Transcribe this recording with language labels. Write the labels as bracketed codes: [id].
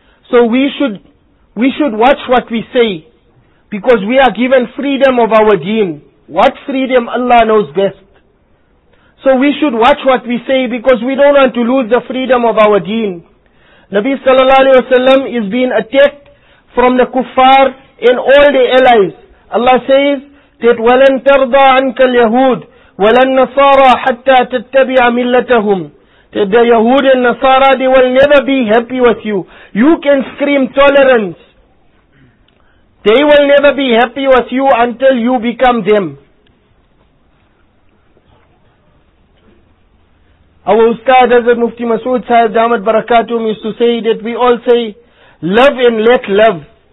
[en] So we should watch what we say, because we are given freedom of our deen. What freedom? Allah knows best. So we should watch what we say, because we don't want to lose the freedom of our deen. Nabi sallallahu alayhi wasallam is being attacked from the kuffar and all the allies. Allah says that [ar] وَلَن تَرْضَى عَنْكَ الْيَهُودِ وَلَن نَصَارَى حَتَّى تَتَّبِعَ مِلَّتَهُمْ. [en] That the Yahud and Nasara, they will never be happy with you. You can scream tolerance. They will never be happy with you until you become them. Our Ustad Hazrat Mufti Masood Sahib Damat Barakatum used to say that we all say, love and let love.